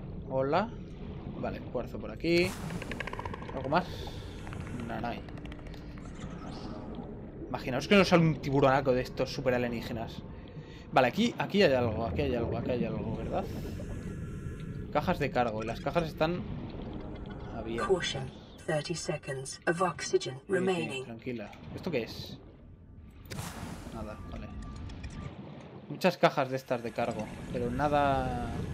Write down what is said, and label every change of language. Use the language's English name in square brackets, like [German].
[Spanish] Hola. Vale, cuarzo por aquí. ¿Algo más? Nanay. Imaginaos que nos sale un tiburonaco de estos super alienígenas. Vale, aquí hay algo, aquí hay algo, aquí hay algo, ¿verdad? Cajas de cargo. Y las cajas están abiertas. [English] Caution. 30 seconds of oxygen remaining. [Spanish] Sí, tranquila. ¿Esto qué es? Nada, vale. Muchas cajas de estas de cargo, pero nada.